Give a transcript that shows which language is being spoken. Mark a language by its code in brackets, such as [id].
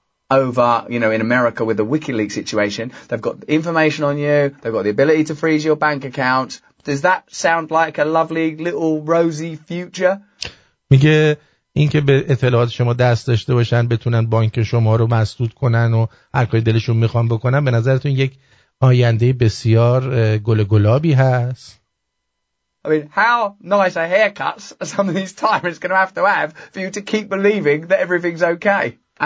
[en] Over, you know, in America with the WikiLeaks situation, they've got information on you, they've got the ability to freeze your bank account. Does that sound like a lovely little rosy future? [fa] میگه اینکه به اطلاعات شما دست داشته باشن، بتونن بانک شما رو مسدود کنن و هر کاری دلشون میخوان بکنن، به نظرتون یک آینده بسیار گل گلابی هست. [en] I mean, how nice a haircut some of these tyrants going to have for you to keep believing that everything's okay.